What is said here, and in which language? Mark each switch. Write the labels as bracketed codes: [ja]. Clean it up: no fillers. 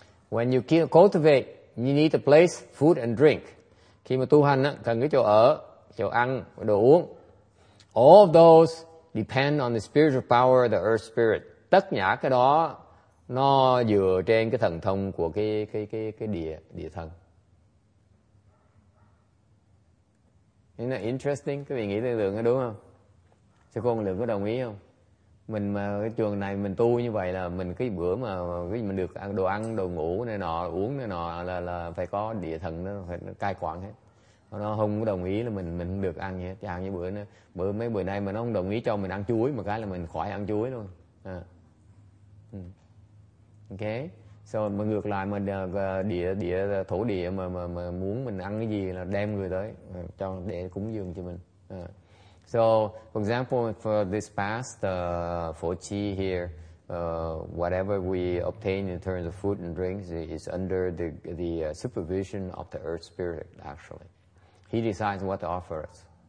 [en] When you cultivate, you need a place, food and drink. [vi] Khi mà tu hành cần cái chỗ ở, chỗ ăn, đồ uống. [en] All of those depend on the spiritual power of the earth spirit. [vi] Tất cả cái đó nó dựa trên cái thần thông của cái địa thần. [en] Isn't that interesting? [vi] Các vị nghĩ tưởng tượng đó đúng không? Sư cô Lượng có đồng ý không? Mình mà cái trường này mình tu như vậy là mình cái bữa mà cái mình được ăn, đồ ngủ này nọ, uống này nọ là phải có địa thần nó phải cai quản hết. Nó không có đồng ý là mình không được ăn gì hết. Chẳng như bữa nay mà nó không đồng ý cho mình ăn chuối mà cái là mình khỏi ăn chuối luôn. Ok. So, mà ngược lại mà địa thổ địa mà muốn mình ăn cái gì là đem người tới cho để cúng dường cho mình. [en] So for example for this past for chi here whatever we obtain in terms of food and drinks is under the supervision of the earth spirit actually. He decides what to offer us.